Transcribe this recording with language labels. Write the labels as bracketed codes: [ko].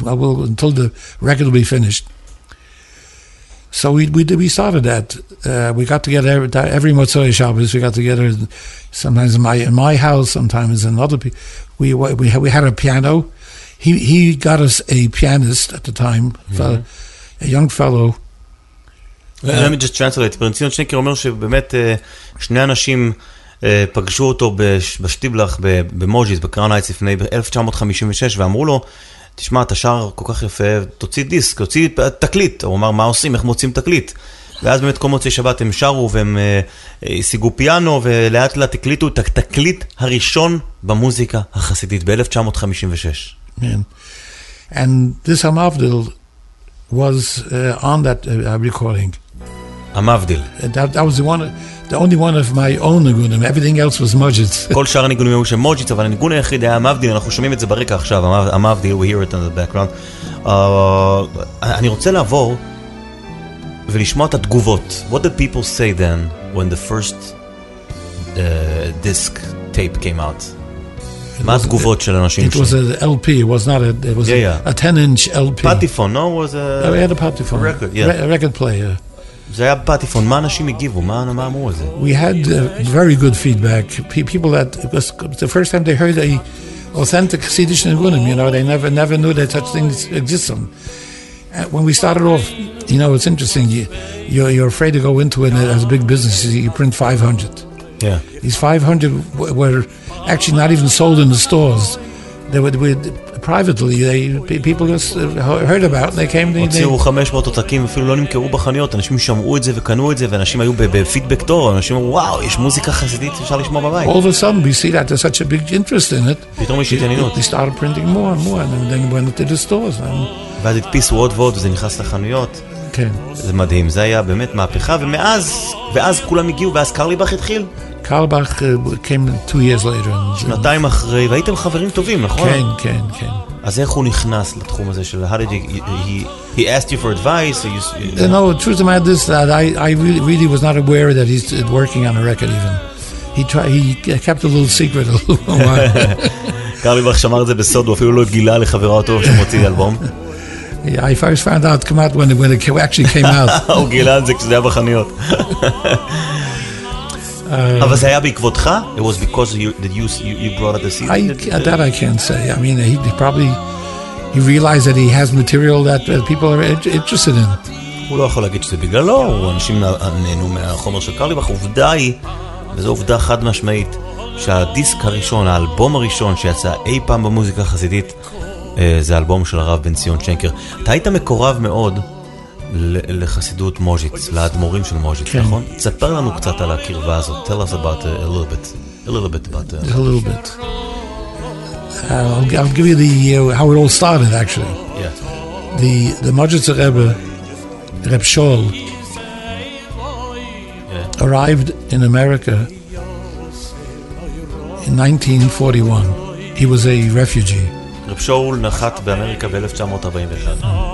[en] I will, until the record will be finished. So we started that. We got together every Motzoi Shabbos. We got together sometimes in my house, sometimes in other people. We had a piano. He got us a pianist at the time, mm-hmm. a young fellow. Let me just translate. [he] Ben-Zion Shenker אומר שבאמת שני אנשים פגשו אותו בשטיבלך במוז'יז, בקראון הייטס לפני 1956, ואמרו לו, תשמע, אתה שר כל כך יפה, תוציא דיסק, תוציא תקליט. הוא אמר, מה עושים? איך מוצאים תקליט? ואז באמת כל מוצאי שבת הם שרו והם השיגו פיאנו, ולאט לאט הקליטו את התקליט הראשון במוזיקה החסידית ב-1956. [en] And this המבדיל was on that recording. [he] המבדיל. [en] That was the one... The only one of my own nigunim, everything else was Mojits. [he] כל שאר הנגונים היו של מוג'יץ, אבל הניגון היחיד היה המבדיל, אנחנו שומעים את זה ברקע עכשיו, המבדיל, [en] we hear it in the background. [he] אני רוצה לעבור ולשמוע את התגובות. [en] What did people say then when the first disc tape came out? [he] מה התגובות של אנשים? [en] It was an LP, it was not a 10-inch LP. Patiphone, no? It was a... We had a Patiphone. A record, yeah. A record player. [he] זה היה פטיפון, מה אנשים הגיבו, מה אמרו על זה? [en] We had very good feedback. People that, it was the first time they heard a authentic Chassidish Nigunim, you know, they never knew that such things existed. when we started off, you know, it's interesting. You're afraid to go into it as a big business. You print 500. Yeah. These 500 were actually not even sold in the stores. They were privately. People just heard about it and they came. [he] הוציאו 500 עותקים, אפילו לא נמכרו בחנויות. אנשים שמעו את זה וקנו את זה, ואנשים היו בפידבק טוב. אנשים אמרו, וואו, יש מוזיקה חסידית שאפשר לשמוע בבית. [en] All of a sudden, we see that there's such a big interest in it. [he] פתאום יש התעניינות. [en] They started printing more and more, and then went to the stores. [he] ואז הדפיסו עוד ועוד, וזה נכנס לחנויות. כן. זה מדהים. זה היה באמת מהפכה, ומאז, ואז כולם הגיעו, ואז קרליבך התחיל. [en] Karlbach came 2 years later. [he] שנתיים אחרי, והייתם חברים טובים, נכון? כן, כן, כן. אז איך הוא נכנס לתחום הזה של, [en] how did he asked you for advice? Or you know? No, truth of my this, that I really was not aware that he's working on a record even. He kept a little secret a little while. [he] Karlbach שמר את זה בסוד, הוא אפילו לא גילה לחברה אותו שמוציא אלבום. [en] Yeah, I first found out, come out when it actually came out. [he] הוא גילה את זה כשזה היה בחניות. אבל זה היה בעקבותך? [en] It was because you brought out the CD? That I can't say. I mean, he probably realized that he has material that people are interested in. [he] הוא לא יכול להגיד שזה בגללו, אנשים נהנו מהחומר של קרליבך. עובדה היא, וזו עובדה חד משמעית, שהדיסק הראשון, האלבום הראשון שיצא אי פעם במוזיקה החסידית, זה אלבום של הרב בן ציון שנקר. אתה היית מקורב מאוד לחסידות מוז'יץ, לאדמו"רים של מוז'יץ, נכון? תספר לנו קצת על הקרבה הזאת. [en] Tell us about a little bit. I'll give you how it all started, actually. Yeah. The Moz'iets Rebbe, Reb Shol, yeah, arrived in America in 1941. He was a refugee. [he] Reb Shol נחת באמריקה ב-1941.